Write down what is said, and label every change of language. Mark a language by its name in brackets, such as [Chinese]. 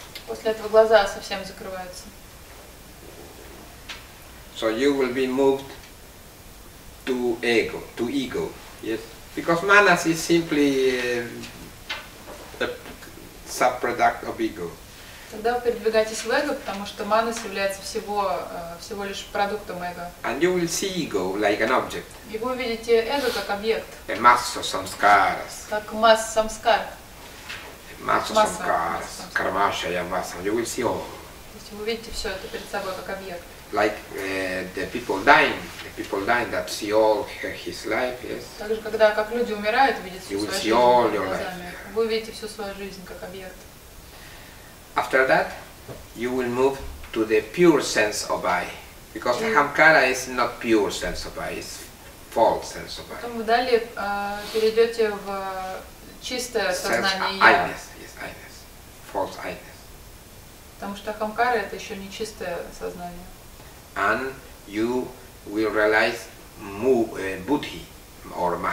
[Russian] После этого глаза совсем закрываются. [English] So you will be moved to ego, to ego. Yes, because manas is simply a subproduct of ego. [Russian] Тогда вы передвигаетесь в эго, потому что манас является всего лишь продуктом эго. [English] And you will see ego like an object. [Russian] И вы увидите эго как объект. [English] A mass of samskaras. [Russian] Как масса самскар. [English] Mass of samskaras. Karmashaya massa. You will see all. [Russian] То есть вы увидите все это перед собой как объект. [English] Like the people dying that see all his life, yes. [Russian] Так же, когда как люди умирают, видят всю свою жизнь глазами. [English] You will see all your life. [Russian] Вы увидите всю свою жизнь как объект. [English] After that, you will move to the pure sense of I, because ahamkara is not pure sense of I; it's false sense of I. [Russian] Потом вы далее перейдете в чистое сознание я. [English] Yes, false I-ness. [Russian] Потому что ахамкара это еще не чистое сознание. [English] And you will realize Buddhi or Mahat.